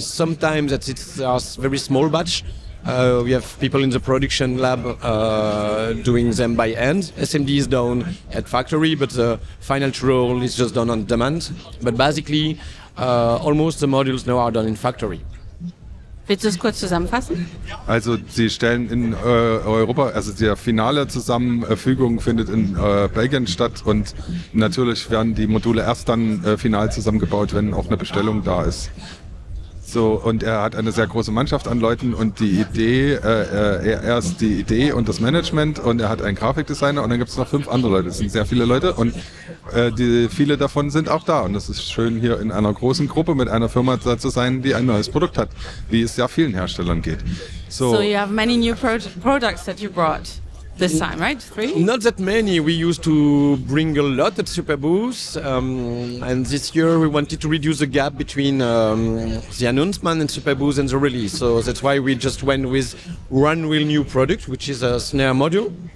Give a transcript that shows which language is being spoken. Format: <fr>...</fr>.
<en>Sometimes it's a very small batch. We have people in the production lab doing them by hand. SMD is done at factory, but the final roll is just done on demand. But basically, almost the modules now are done in factory.</en> <de>Willst du es kurz zusammenfassen? Also sie stellen in Europa, also die finale Zusammenfügung findet in Belgien statt, und natürlich werden die Module erst dann final zusammengebaut, wenn auch eine Bestellung da ist. So, und er hat eine sehr große Mannschaft an Leuten, und die Idee, er ist die Idee und das Management, und er hat einen Grafikdesigner, und dann gibt es noch fünf andere Leute. Es sind sehr viele Leute, und viele davon sind auch da. Und es ist schön, hier in einer großen Gruppe mit einer Firma da zu sein, die ein neues Produkt hat, wie es ja vielen Herstellern geht.</de> <en>So you have many new products that you brought this time, right? Three? Not that many. We used to bring a lot at Superbooth, and this year we wanted to reduce the gap between the announcement and Superbooth and the release. So that's why we just went with one real new product, which is a snare module.</en>